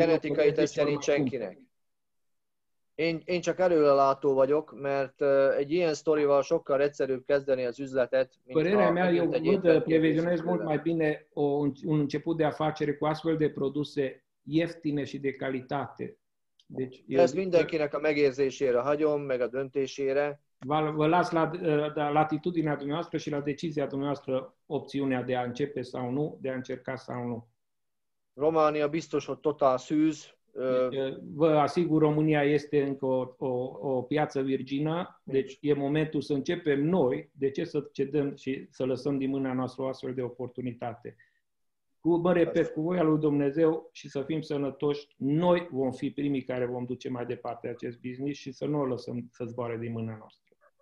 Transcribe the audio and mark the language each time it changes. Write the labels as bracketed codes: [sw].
[hu] a genetikai tesztje nincs senkinek. Én csak előrelátó vagyok, mert egy ilyen sztorival sokkal egyszerűbb kezdeni az üzletet, [ro] mint Părerea mea, eu văd, previzionez mult mai bine un început de afacere cu astfel de produse ieftine și de calitate. [hu] Deci, ez mindenkinek a megérzésére hagyom, meg a döntésére. [ro] Vă las la latitudinea dumneavoastră și la decizia dumneavoastră opțiunea de a începe sau nu, de a încerca sau nu. [hu] România biztos, hogy totál szűz. [ro] Vă asigur, România este încă o piață virgină, deci e momentul să începem noi, de ce să cedăm și să lăsăm din mâna noastră o astfel de oportunitate. Mă repet, cu voia lui Dumnezeu și să fim sănătoși, noi vom fi primii care vom duce mai departe acest business și să nu o lăsăm să zboare din mâna noastră.